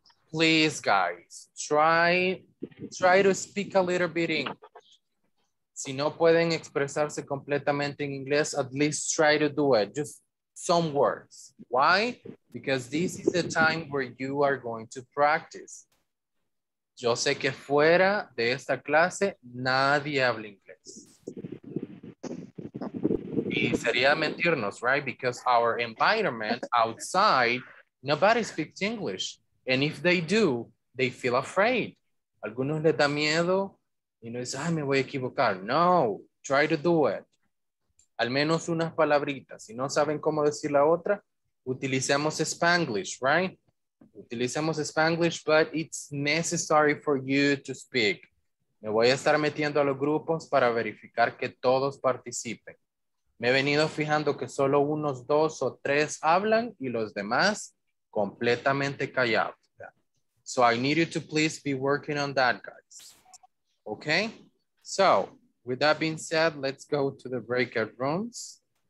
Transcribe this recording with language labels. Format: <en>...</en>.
<en>Please, guys, try to speak a little bit English.</en> <es>Si no pueden expresarse completamente en inglés,</es> <en>at least try to do it, just some words. Why? Because this is the time where you are going to practice.</en> <es>Yo sé que fuera de esta clase, nadie habla inglés. Y sería mentirnos,</es> <en>right? Because our environment outside, nobody speaks English. And if they do, they feel afraid.</en> <es>Algunos les da miedo y no dicen, ay, me voy a equivocar.</es> <en>No, try to do it.</en> <es>Al menos unas palabritas. Si no saben cómo decir la otra, utilicemos Spanglish, right? Utilicemos Spanglish,</es> <en>but it's necessary for you to speak.</en> <es>Me voy a estar metiendo a los grupos para verificar que todos participen. Me he venido fijando que solo unos dos o tres hablan y los demás completamente callado.</es> <en>So I need you to please be working on that, guys. Okay? So, with that being said, let's go to the breakout rooms.</en>